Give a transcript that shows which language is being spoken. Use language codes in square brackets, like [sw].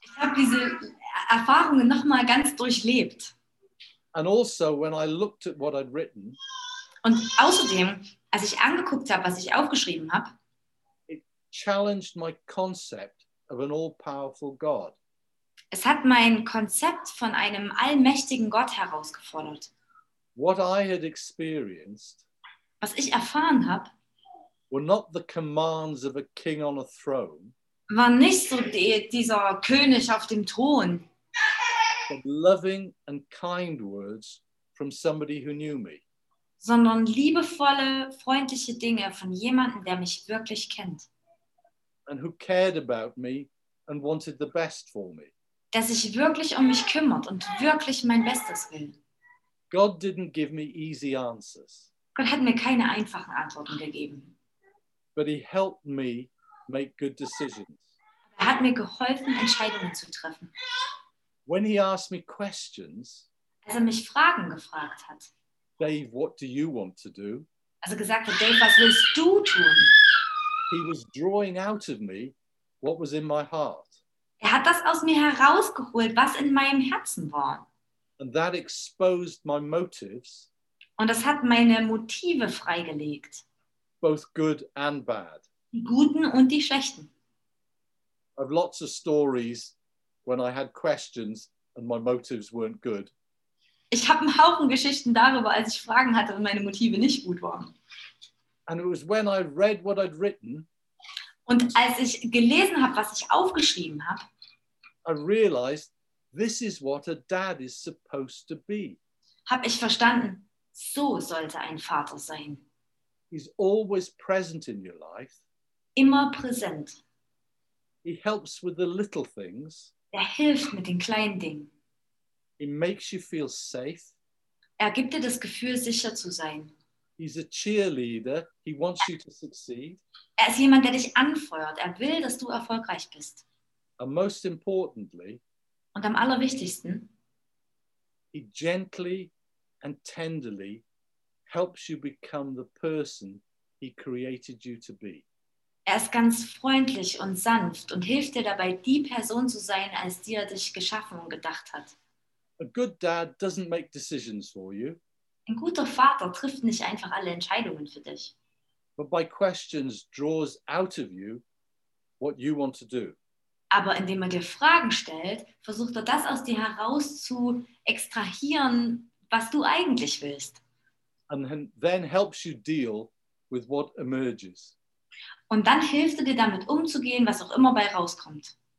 [de] Ich habe diese Erfahrungen nochmal ganz durchlebt. [en] And also when I looked at what I'd written, [de] und außerdem, als ich angeguckt habe, was ich aufgeschrieben habe, [en] it challenged my concept of an all-powerful God. [de] Es hat mein Konzept von einem allmächtigen Gott herausgefordert. [en] What I had experienced, [de] was ich erfahren habe, [en] were not the commands of a king on a throne, [de] war nicht so dieser König auf dem Thron, [en] but loving and kind words from somebody who knew me, [de] sondern liebevolle, freundliche Dinge von jemandem, der mich wirklich kennt, [en] and who cared about me and wanted the best for me, [de] der sich wirklich um mich kümmert und wirklich mein Bestes will. [en] God didn't give me easy answers. [de] Gott hat mir keine einfachen Antworten gegeben. [en] But he helped me make good decisions. [de] Er hat mir geholfen, Entscheidungen zu treffen. [en] When he asked me questions, [de] als er mich Fragen gefragt hat, [en] Dave, what do you want to do? [de] Als er gesagt hat, Dave, was willst du tun? [en] He was drawing out of me what was in my heart. [de] Er hat das aus mir herausgeholt, was in meinem Herzen war. [en] And that exposed my motives. [de] Und das hat meine Motive freigelegt. [en] Both good and bad. [de] Die guten und die schlechten. [en] I have lots of stories when I had questions and my motives weren't good. [de] Ich habe einen Haufen Geschichten darüber, als ich Fragen hatte und meine Motive nicht gut waren. [en] And it was when I read what I'd written. [de] Und als ich gelesen habe, was ich aufgeschrieben habe, [en] I realized this is what a dad is supposed to be. [de] Hab ich verstanden, so sollte ein Vater sein. [en] He's always present in your life. [de] Immer präsent. [en] He helps with the little things. [de] Er hilft mit den kleinen Dingen. [en] He makes you feel safe. [de] Er gibt dir das Gefühl, sicher zu sein. [en] He's a cheerleader. He wants you to succeed. [de] Er ist jemand, der dich anfeuert. Er will, dass du erfolgreich bist. [en] And most importantly, [de] und am allerwichtigsten, [en] he gently and tenderly helps you become the person he created you to be. [de] Er ist ganz freundlich und sanft und hilft dir dabei, die Person zu sein, als die er dich geschaffen und gedacht hat. [en] A good dad doesn't make decisions for you. [de] Ein guter Vater trifft nicht einfach alle Entscheidungen für dich. [en] But by questions draws out of you what you want to do. [de] Aber indem er dir Fragen stellt, versucht er das aus dir heraus zu extrahieren, was du eigentlich willst. [en] And then helps you deal with what emerges. [de] Und dann hilft er dir damit umzugehen, was auch immer bei rauskommt.